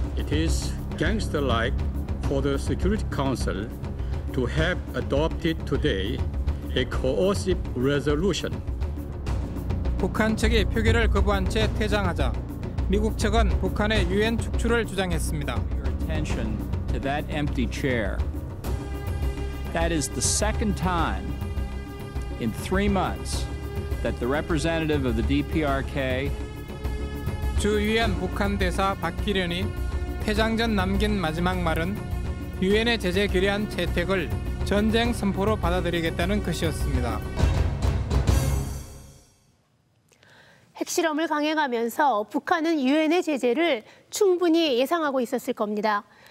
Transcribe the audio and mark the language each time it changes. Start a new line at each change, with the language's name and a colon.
English: It is gangster-like for the Security Council to have adopted today a coercive resolution.
Korean: 북한 측이 표결을 거부한 채 퇴장하자 미국 측은 북한의 유엔 축출을 주장했습니다.
English: That is the second time in 3 months that the representative of the DPRK
Korean: 주위안 북한 대사 박기련이 퇴장 전 남긴 마지막 말은 유엔의 제재 결의안 채택을 전쟁 선포로 받아들이겠다는 것이었습니다. 핵실험을 강행하면서 북한은 유엔의 제재를 충분히 예상하고 있었을 겁니다.